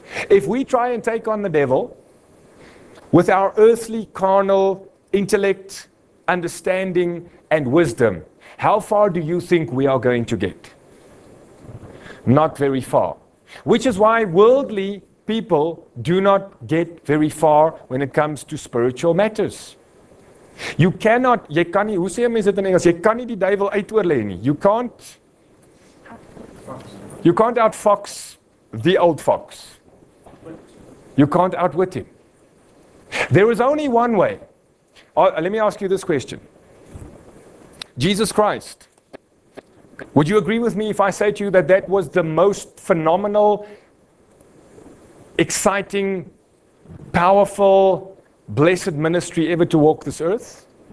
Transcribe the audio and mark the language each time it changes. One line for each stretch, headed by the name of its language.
English: If we try and take on the devil with our earthly, carnal intellect, understanding, and wisdom, how far do you think we are going to get? Not very far. Which is why worldly people do not get very far when it comes to spiritual matters. You cannot,
Afrikaans: jy kan nie, hoe sê mense dit in Engels, jy kan nie die duivel uitoorlê nie.
English: You can't outfox the old fox. You can't outwit him. There is only one way. Let me ask you this question. Jesus Christ, would you agree with me if I say to you that that was the most phenomenal, exciting, powerful, blessed ministry ever to walk this earth?